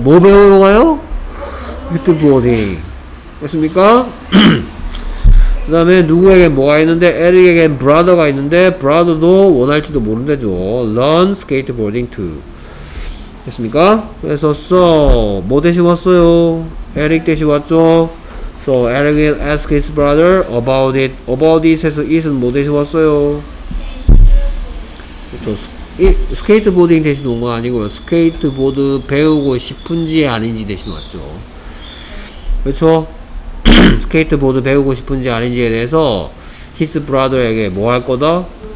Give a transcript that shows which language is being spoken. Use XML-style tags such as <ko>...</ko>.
<ko>뭐 배우러 가요? 스케이트보딩. 됐습니까? 그 다음에 누구에게 뭐가 있는데? 에릭에겐 브라더가 있는데 브라더도 원할지도 모른대죠.</ko> <en>Learn skateboarding too.</en> <ko>됐습니까? 그래서 so 뭐 대신 왔어요? 에릭 대신 왔죠?</ko> <en>So Eric will ask his brother about it.</en> <ko>About it에서 it은 뭐 대신 왔어요? 그렇죠. 스케이트보딩 대신 온 건 아니고요. 스케이트보드 배우고 싶은지 아닌지 대신 왔죠. 그렇죠? 스케이트보드 배우고 싶은지 아닌지에 대해서 his brother에게 뭐 할 거다?</ko>